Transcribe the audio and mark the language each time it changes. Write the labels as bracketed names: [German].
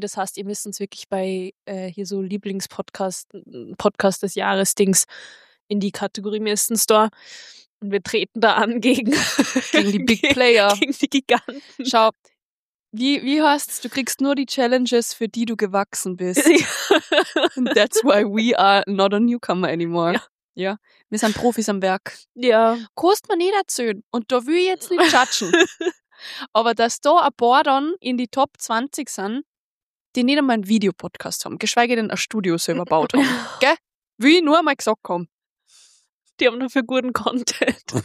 [German] Das heißt, ihr müsst uns wirklich bei hier so Lieblingspodcast, Podcast des Jahres-Dings in die Kategorie mindestens da. Und wir treten da an gegen die Big Player. Gegen die Giganten. Schau. Wie heißt's? Du kriegst nur die Challenges, für die du gewachsen bist. [English] And that's why we are not a newcomer anymore. [German] Ja. Wir sind Profis am Werk. Ja. Kost man nicht erzählen. Und da will ich jetzt nicht judgen. Aber dass da ein paar dann in die Top 20 sind, die nicht einmal einen Videopodcast haben, geschweige denn ein Studio selber baut haben. Gell? Will ich nur einmal gesagt haben. Die haben dafür guten Content.